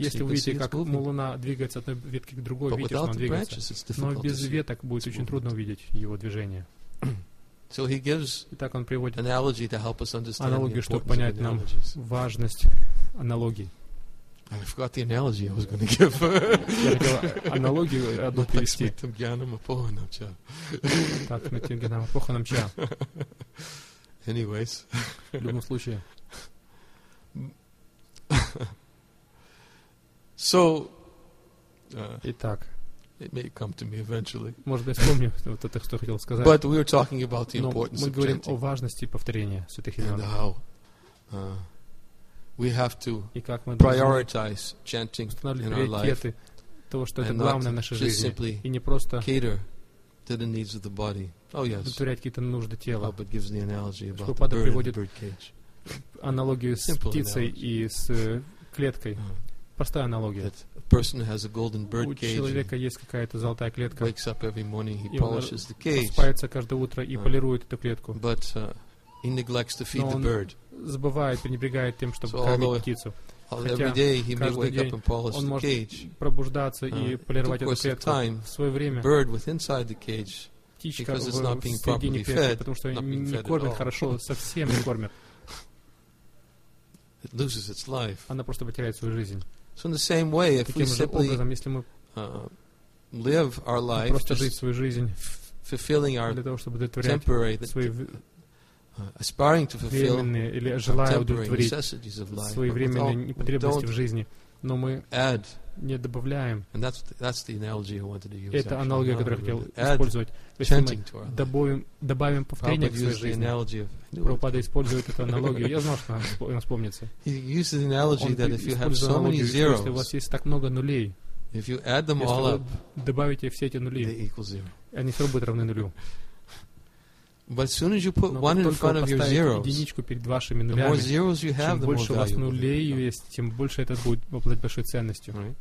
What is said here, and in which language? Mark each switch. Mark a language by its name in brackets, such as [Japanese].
[Russian] Если увидите, как Луна двигается от одной ветки к другой, видите, что она двигается. Но без веток будет очень трудно увидеть его движение. [English] So he gives [Russian] Итак, он приводит [English] analogy to help us understand [Russian] аналогию, чтобы понять нам важность аналогий. [English] I forgot the analogy I was going to give. [Russian] Аналогию одну перевести. Так, Смитам Поханам Ча. Так, Смитам Гьянам Поханам Ча. [English] Anyways. [Russian] В любом случае. [English] So, [Russian] Итак. [English] It may come to me eventually. [Russian] Может быть, вспомню вот это, что хотел сказать. [English] But we were talking about the importance of [Russian] мы говорим о важности повторения святых имен. [English] And how we have to prioritize chanting in our life. [Russian] Того, что это главное в нашей жизни. И не просто [English] cater to the needs of the body. Oh yes. [Russian] Удовлетворять какие-то нужды тела. [English] But gives the analogy about the bird and the birdcage. [Russian] Аналогию с птицей и с клеткой. Простая аналогия. [English] Person has a golden bird cage. [Russian] У человека есть какая-то золотая клетка. [English] Wakes up every morning, he polishes the cage. [Russian] Просыпается каждое утро и полирует эту клетку. [English] But he neglects to feed the bird. [Russian] Забывает, пренебрегает тем, чтобы кормить птицу. [English] Every day he may wake up and polish the cage. [Russian] Он может пробуждаться и полировать эту клетку. В свое время [English] bird with inside the cage, because it's not being properly fed, [Russian] потому что не кормят хорошо, совсем не кормят. [English] It loses its life. [Russian] Она просто потеряет свою жизнь. [English] So in the same way, if we simply live our life, [Russian] просто жить свою жизнь, [English] fulfilling our [Russian] для того, чтобы [English] temporary, [Russian] свои, [English] aspiring to fulfill [Russian] временные или желая удовлетворить [English] necessities of life, [Russian] свои временные непотребности в жизни, но мы [English] add, [Russian] не добавляем. [English] And that's the analogy I wanted to use. [Russian] Это аналогия, которую хотел использовать. Если мы добавим повторение к своей жизни. Прабхупада использует эту аналогию. Я знал, что она вспомнится. Он использует аналогию, что если у вас есть так много нулей, [English] if you add them [Russian] если [English] all up, [Russian] вы добавите все эти нули, [English] they equal zero. [Russian] Они все будут равны нулю. [English] But as soon as you put one in front of your zeros, the more zeros you have, the more value you have. [Russian] Тем больше это будет обладать большой ценностью.